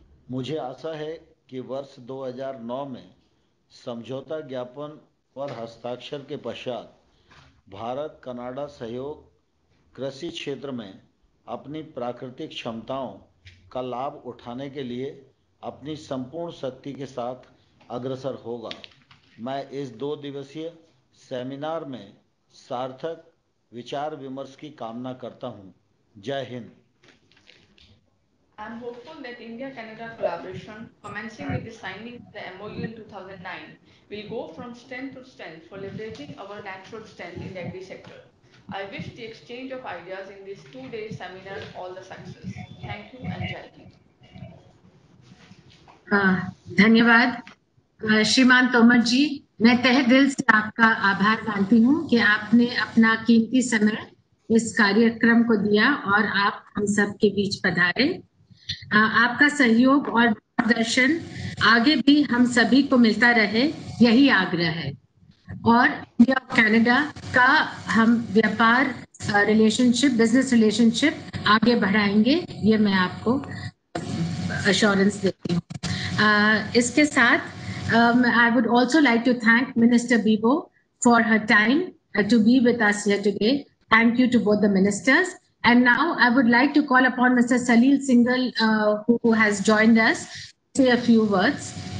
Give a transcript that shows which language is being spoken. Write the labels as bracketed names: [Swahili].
[Hindi] मुझे आशा है कि वर्ष 2009 में समझौता ज्ञापन पर हस्ताक्षर के पश्चात भारत कनाडा सहयोग कृषि क्षेत्र में अपनी प्राकृतिक क्षमताओं का लाभ उठाने के लिए अपनी संपूर्ण शक्ति के साथ अग्रसर होगा। मैं इस दो दिवसीय सेमिनार में सार्थक विचार विमर्श की कामना करता हूं। जय Hind. [English] I am hopeful that India-Canada collaboration, commencing with the signing of the MOU in 2009, will go from strength to strength for leveraging our natural strength in the agri sector. I wish the exchange of ideas in this two-day seminar all the success. Thank you and [Hindi] jai hind. धन्यवाद श्रीमान तोमर जी, मैं तहे दिल से आपका आभार मानती हूँ कि आपने अपना कीमती समय इस कार्यक्रम को दिया और आप हम सब के बीच पधारे। आपका सहयोग और मार्गदर्शन आगे भी हम सभी को मिलता रहे, यही आग्रह है। और इंडिया कनाडा का हम व्यापार रिलेशनशिप, बिजनेस रिलेशनशिप आगे बढ़ाएंगे, ये मैं आपको अश्योरेंस देती हूँ। इसके साथ [English] I would also like to thank minister Bibo for her time to be with us here today. Thank you to both the ministers. And now I would like to call upon Mr. Salil Singhal, who has joined us, say a few words.